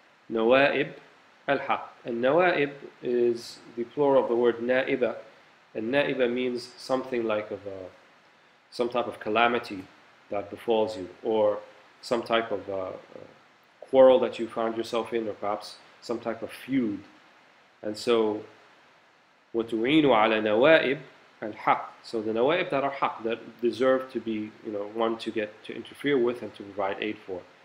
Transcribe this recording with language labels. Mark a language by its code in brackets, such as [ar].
[ar] نَوَائِبِ الحق. [en] And nawa'ib is the plural of the word na'iba. And na'iba means something like of some type of calamity that befalls you, or some type of quarrel that you found yourself in, or perhaps some type of feud. And so, [ar] وَتُعِينُ عَلَى نَوَائِبِ الْحَقِّ. [en] So the nawa'ib that are haq, that deserve to be, you know, one to get to interfere with and to provide aid for.